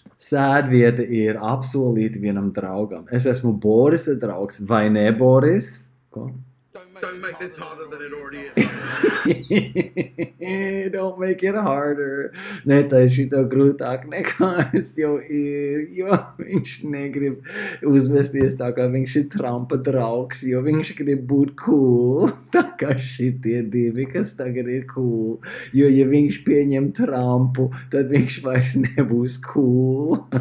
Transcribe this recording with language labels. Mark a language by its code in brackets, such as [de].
[lv] Sēd vieta ir apsolīta vienam draugam. Es esmu Borisa draugs, vai ne Boris? Ko? [en] Don't make this harder than it already is. Don't make it harder. [lv] Ne, tā šito grūtāk nekā es jau ir, jo viņš negrib uzvesties tā, kā viņš ir Trumpa draugs, jo viņš grib būt cool. Tā kā šitie divi, kas tagad ir cool. Jo, ja viņš pieņem Trumpu, tad viņš vairs nebūs cool.